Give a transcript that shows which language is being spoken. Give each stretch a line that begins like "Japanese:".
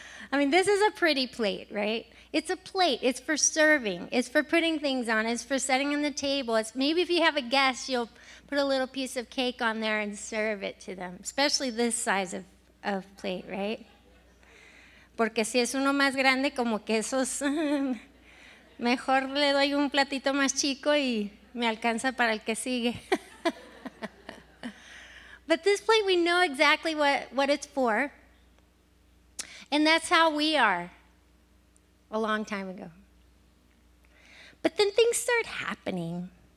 English: I mean, this is a pretty plate, right? It's a plate. It's for serving. It's for putting things on. It's for setting on the table. It's maybe if you have a guest, you'll put a little piece of cake on there and serve it to them, especially this size of plate, right?
Spanish: Porque si es uno más grande, como que esos, mejor le doy un platito más chico y me alcanza para el que sigue.
English: But this plate, we know exactly what it's for. And that's how we are a long time ago. But then things start happening.